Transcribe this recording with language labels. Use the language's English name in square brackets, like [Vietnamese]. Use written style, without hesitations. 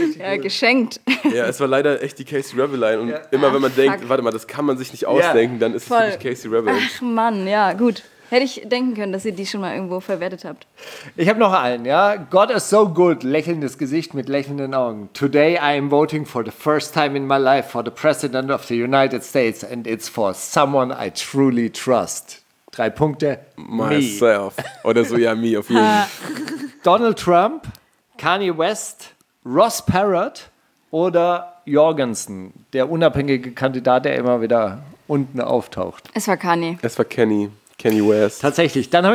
[German] Ja, geschenkt. Ja, es war leider echt die Casey Rebel Line und immer wenn man denkt, warte mal, das kann man sich nicht ausdenken, dann ist es wirklich Casey Rebel. Ach Mann, ja, gut. Hätte ich denken können, dass ihr die schon mal irgendwo verwertet habt. Ich habe noch einen, ja. [English] God is so good, [German] lächelndes Gesicht mit lächelnden Augen. [English] Today I am voting for the first time in my life for the President of the United States and it's for someone I truly trust. [German] 3 Punkte. [English] Myself. [German] Oder so, ja, me auf jeden Fall. Donald Trump, Kanye West, Ross Perot oder Jorgensen, der unabhängige Kandidat, der immer wieder unten auftaucht. Es war Kanye. Es war Kenny. Kenny West. Tatsächlich.